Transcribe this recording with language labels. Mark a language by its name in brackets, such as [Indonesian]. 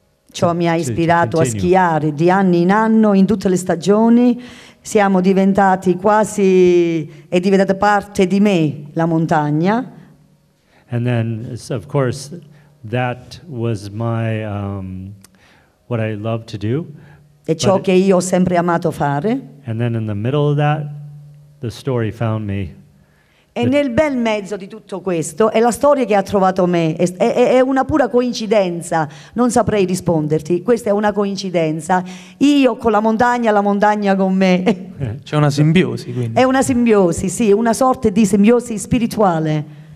[Italian] ciò mi ha ispirato a schiare di anno in anno in tutte le stagioni. Siamo diventati quasi, è diventata parte di me la montagna. [English] And then of course that was my what I love to do. [Italian] E ciò che io ho sempre amato fare. [English] And then in the middle of that, the story found me. [Italian] E nel bel mezzo di tutto questo è la storia che ha trovato me. È una pura coincidenza. Non saprei risponderti. Questa è una coincidenza. Io con la montagna con me. C'è una simbiosi, quindi. È una simbiosi, sì, una sorte di simbiosi spirituale.